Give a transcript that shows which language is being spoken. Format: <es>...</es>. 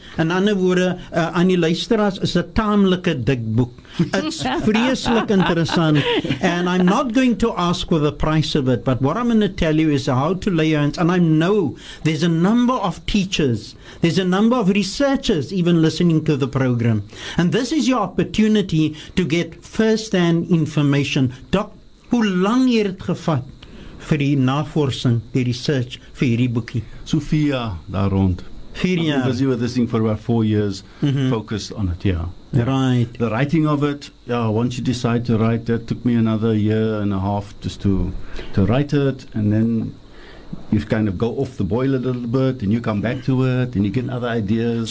<af>In ander woorde, aan die luisteraars is 'n taamlike dik boek. It's vreeslik interessant.</af> <en>And I'm not going to ask for the price of it, but what I'm going to tell you is how to lay your hands. And I know there's a number of teachers, there's a number of researchers even listening to the program. And this is your opportunity to get first-hand information.</en> <af>Doc, hoe lang het dit gevat vir die navorsing, die research vir hierdie boekie? Sophia, daar rond.</af> <en>Because you were listening for about 4 years, focused on it, right. The writing of it, once you decide to write, that took me another year and a half just to write it, and then you kind of go off the boil a little bit, and you come back to it, and you get other ideas.</en>